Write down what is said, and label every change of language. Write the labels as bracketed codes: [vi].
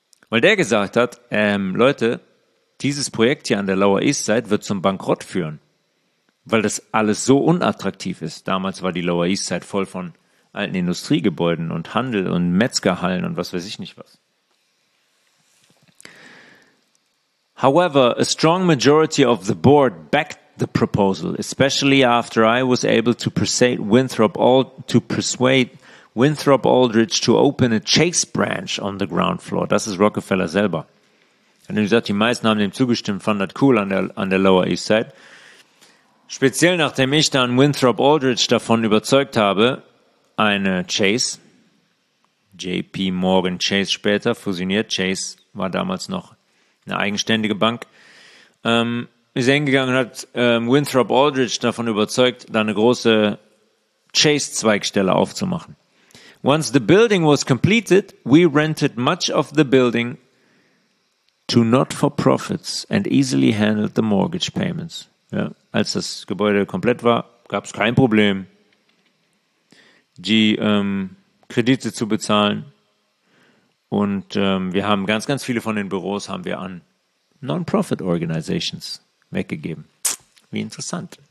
[de] Weil der gesagt hat, Leute, dieses Projekt hier an der Lower East Side wird zum Bankrott führen, weil das alles so unattraktiv ist. Damals war die Lower East Side voll von alten Industriegebäuden und Handel und Metzgerhallen und was weiß ich nicht was. [en] However, a strong majority of the board backed the proposal, especially after I was able to persuade Winthrop Aldrich to open a Chase branch on the ground floor. [de] Das ist Rockefeller selber. Und wie gesagt, die meisten haben dem zugestimmt, fanden das cool an der Lower East Side. Speziell nachdem ich dann Winthrop Aldrich davon überzeugt habe, eine Chase, JP Morgan Chase später fusioniert, Chase war damals noch eine eigenständige Bank, ist hingegangen und hat Winthrop Aldrich davon überzeugt, da eine große Chase-Zweigstelle aufzumachen. [en] Once the building was completed, we rented much of the building to not-for-profits and easily handled the mortgage payments. [de] Ja, als das Gebäude komplett war, gab es kein Problem, die Kredite zu bezahlen. Und wir haben ganz, ganz viele von den Büros haben wir an Non-Profit-Organizations weggegeben. Wie interessant.